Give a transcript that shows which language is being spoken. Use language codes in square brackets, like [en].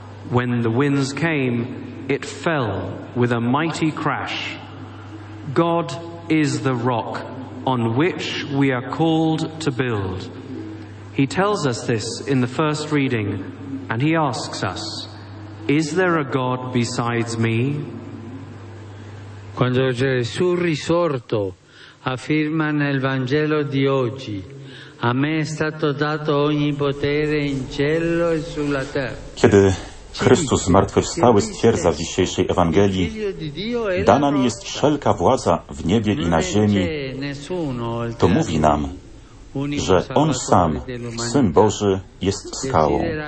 [en] When the winds came, it fell with a mighty crash. God is the rock on which we are called to build. He tells us this in the first reading, and he asks us, is there a God besides me? [it] Quando Gesù risorto affirma nel Vangelo di oggi, a me è stato dato ogni potere in cielo e sulla terra. [pl] Chrystus Zmartwychwstały stwierdza w dzisiejszej Ewangelii: dana mi jest wszelka władza w niebie i na ziemi. To mówi nam, że On sam, Syn Boży, jest skałą.